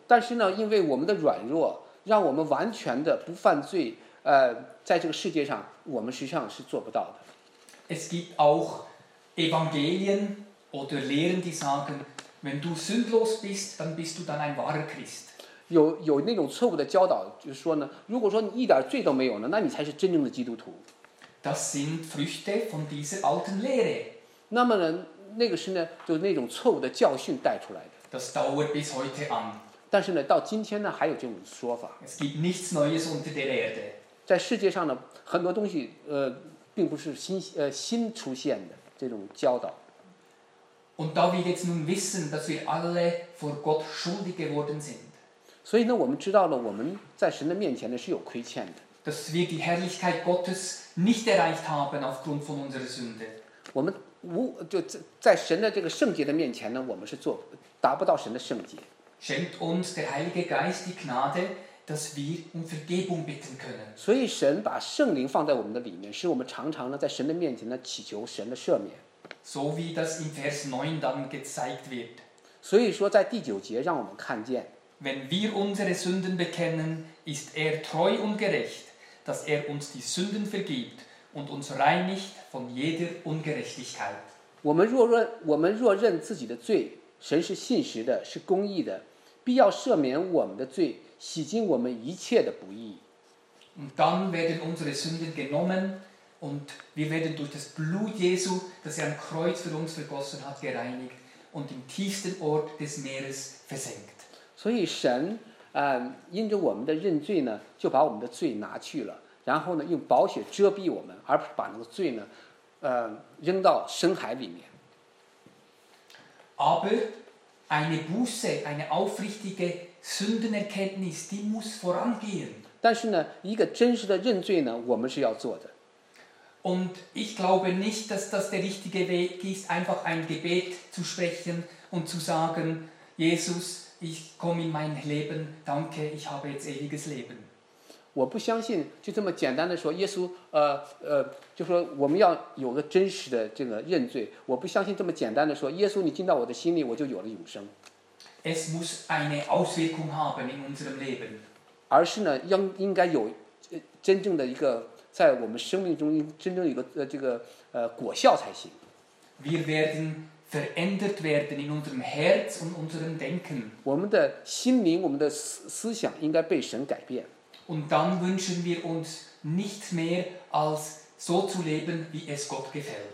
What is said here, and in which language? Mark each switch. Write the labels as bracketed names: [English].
[Chinese] 但是呢，因为我们的软弱，让我们完全的不犯罪，在这个世界上，我们实际上是做不到的。 [German] Es gibt auch Evangelien oder Lehren, die sagen, wenn du sündlos bist, dann bist du dann ein wahrer Christ. [Chinese] 有那种错误的教导，就是说呢，如果说你一点罪都没有呢，那你才是真正的基督徒。 [German] Das sind Früchte von dieser alten Lehre. [Chinese] 那么呢？那个是呢，就是那种错误的教训带出来的。 [German] Das dauert bis heute an. [Chinese] 但是呢，到今天呢，还有这种说法。 [German] Es gibt nichts Neues unter der Erde. [Chinese] 在世界上呢，很多东西并不是新出现的这种教导。 [German] Und da wir jetzt nun wissen, dass wir alle vor Gott schuldig geworden sind. [Chinese] 所以呢，我们知道了我们在神的面前呢是有亏欠的。 [German] Dass wir die Herrlichkeit Gottes nicht erreicht haben aufgrund von unserer Sünde. [Chinese] 我们就在神的这个圣洁的面前呢，我们是做达不到神的圣洁。 [German] Schenkt uns der Heilige Geist die Gnade, dass wir um Vergebung bitten können. [Chinese] 所以神把圣灵放在我们的里面，使我们常常呢在神的面前呢祈求神的赦免。 [German] So wie das in Vers 9 dann gezeigt wird. [Chinese] 所以说在第九节让我们看见。 [German] Wenn wir unsere Sünden bekennen, ist er treu und gerecht, dass er uns die Sünden vergibt. Und uns reinigt von jeder Ungerechtigkeit. [Chinese] 我们若认自己的罪，神是信实的，是公义的，必要赦免我们的罪，洗净我们一切的不义。 [German] Und dann werden unsere Sünden genommen und wir werden durch das Blut Jesu, das er am Kreuz für uns vergossen hat, gereinigt und im tiefsten Ort des Meeres versenkt. [Chinese] 所以神，因着我们的认罪呢，就把我们的罪拿去了。然后呢，用宝血遮蔽我们，而不是把那个罪呢，扔到深海里面。 [German] Aber eine Buße, eine aufrichtige Sündenerkenntnis, die muss vorangehen. [Chinese] 但是呢，一个真实的认罪呢，我们是要做的。 [German] Und ich glaube nicht, dass das der richtige Weg ist, einfach ein Gebet zu sprechen und zu sagen, Jesus, ich komme in mein Leben, danke, ich habe jetzt ewiges Leben. [Chinese] 我不相信就这么简单的说耶稣就说我们要有个真实的这个认罪，我不相信这么简单的说耶稣你进到我的心里我就有了永生。 [German] Es muss eine Auswirkung haben in unserem Leben. [Chinese] 而是呢应该有真正的一个在我们生命中真正一个这个果效才行。 [German] Wir werden verändert werden in unserem Herz und unserem Denken. [Chinese] 我们的心灵我们的思想应该被神改变。 [German] Und dann wünschen wir uns nichts mehr als so zu leben, wie es Gott gefällt.